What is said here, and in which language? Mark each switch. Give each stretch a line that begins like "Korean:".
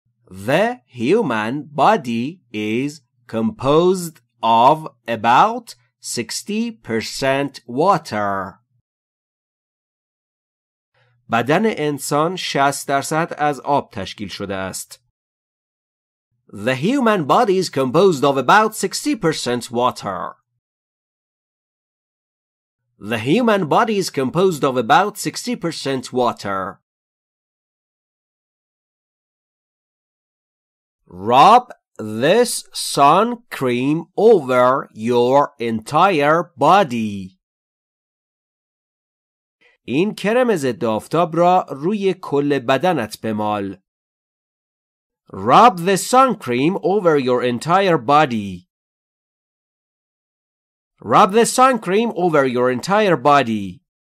English: The human body is composed of about 60% water.
Persian: بدن انسان 60% از آب تشکیل شده است.
English: The human body is composed of about 60% water. The human body is composed of about 60% water. Rub this sun cream over your entire body.
Persian: این کرم ضد آفتاب را روی کل بدنت بمال.
English: Rub the sun cream over your entire body. Rub the sun cream over your entire body.